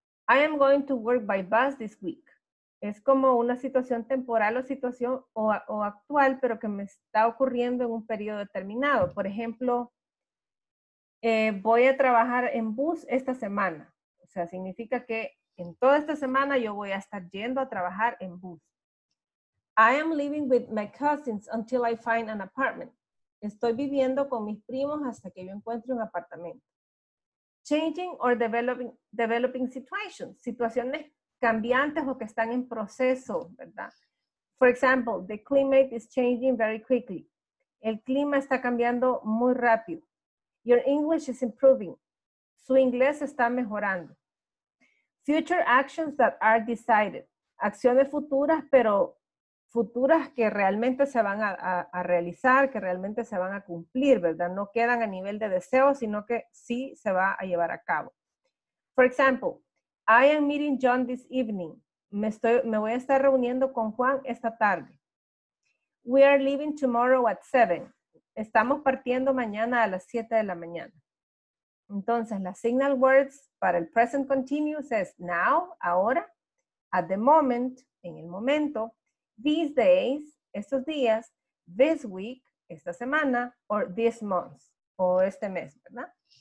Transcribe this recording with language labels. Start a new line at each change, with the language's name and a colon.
English: I am going to work by bus this week.
Spanish: Es como una situación temporal o situación o actual, pero que me está ocurriendo en un periodo determinado. Por ejemplo, voy a trabajar en bus esta semana. O sea, significa que en toda esta semana yo voy a estar yendo a trabajar en bus.
English: I am living with my cousins until I find an apartment.
Spanish: Estoy viviendo con mis primos hasta que yo encuentre un apartamento.
English: Changing or developing situations.
Spanish: Situaciones cambiantes o que están en proceso, ¿verdad?
English: For example, the climate is changing very quickly.
Spanish: El clima está cambiando muy rápido.
English: Your English is improving.
Spanish: Su inglés está mejorando.
English: Future actions that are decided.
Spanish: Acciones futuras, pero futuras que realmente se van a realizar, que realmente se van a cumplir, ¿verdad? No quedan a nivel de deseo, sino que sí se va a llevar a cabo.
English: For example, I am meeting John this evening.
Spanish: Me voy a estar reuniendo con Juan esta tarde.
English: We are leaving tomorrow at 7.
Spanish: Estamos partiendo mañana a las 7 de la mañana. Entonces, las signal words para el present continuous es now, ahora,
English: at the moment,
Spanish: en el momento,
English: these days,
Spanish: estos días,
English: this week,
Spanish: esta semana,
English: or this month,
Spanish: o este mes, ¿verdad?